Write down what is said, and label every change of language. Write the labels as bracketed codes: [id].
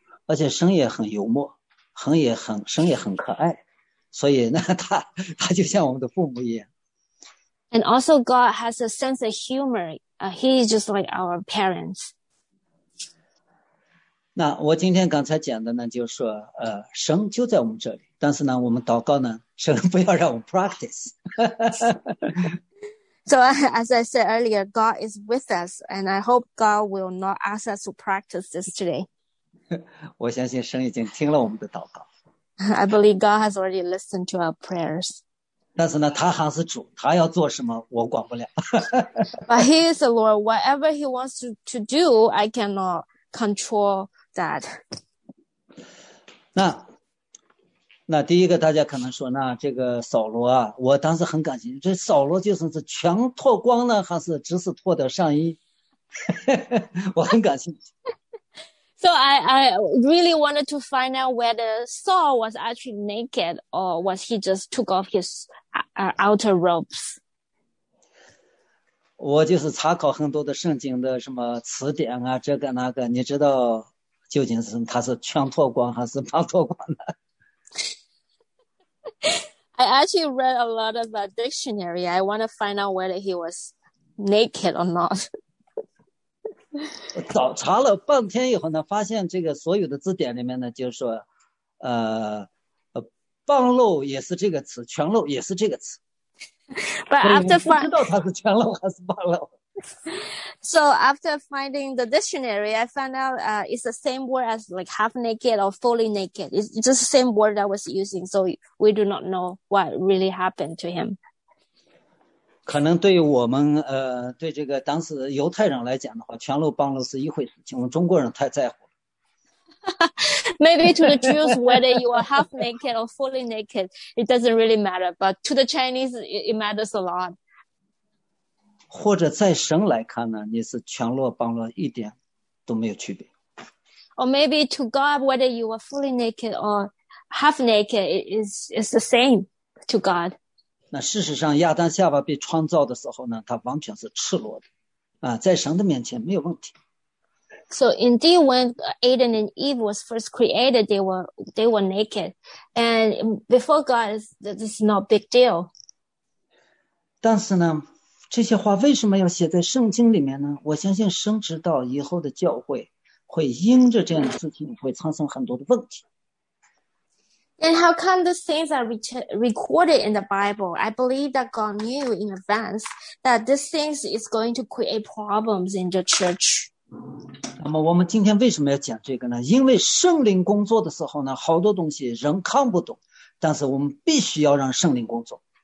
[zh] 而且神也很幽默，神也很可爱，所以呢，他就像我们的父母一样。 [en] And also God has a sense of humor. He's just like our parents. [zh] 那我今天刚才讲的呢，就是说，神就在我们这里，但是呢，我们祷告呢，神不要让我们 practice。 [en] So as I said earlier, God is with us, and I hope God will not ask us to practice this today. [zh] 我相信神已经听了我们的祷告。 [en] I believe God has already listened to our prayers. [zh] 但是呢，他还是主，他要做什么，我管不了。 [en] But He is the Lord. Whatever He wants to do, I cannot control that. [zh] 那第一个大家可能说那这个扫罗啊我当时很感兴趣这扫罗就是全脱光呢还是只是脱的上衣我很感兴趣。 [en] So I really wanted to find out whether Saul was actually naked or was he just took off his outer robes. [zh] 我就是查考很多的圣经的什么词典啊这个那个你知道究竟是他是全脱光还是半脱光的。 [en] I actually read a lot of a dictionary. I want to find out whether he was naked or not. [zh] 早查了半天以后呢，发现这个所有的字典里面呢，就是说，半露也是这个词，全露也是这个词。 [en] But after finding, [zh] 不知道他是全露还是半露。 [en] So after finding the dictionary, I found out it's the same word as like half naked or fully naked. It's just the same word that I was using. So we do not know what really happened to him. [zh] 可能对我们对这个当时犹太人来讲的话，全露半露是一回事情。我们中国人太在乎了。 [en] Maybe to the Jews, whether you are half naked or fully naked, it doesn't really matter. But to the Chinese, it matters a lot. [zh] 或者在神来看呢，你是全裸、半裸，一点都没有区别。 [en] Or maybe to God, whether you are fully naked or half naked, is the same to God. [zh] 那事实上，亚当夏娃被创造的时候呢，他完全是赤裸的，啊，在神的面前没有问题。 [en] So indeed, when Adam and Eve was first created, they were naked, and before God, this is not big deal. [zh] 但是呢。这些话为什么要写在圣经里面呢？我相信神知道以后的教会会因着这样的事情会产生很多的问题。 [en] And how come these things are recorded in the Bible? I believe that God knew in advance that these things is going to create problems in the church. [zh] 那么我们今天为什么要讲这个呢？因为圣灵工作的时候呢，好多东西人看不懂，但是我们必须要让圣灵工作。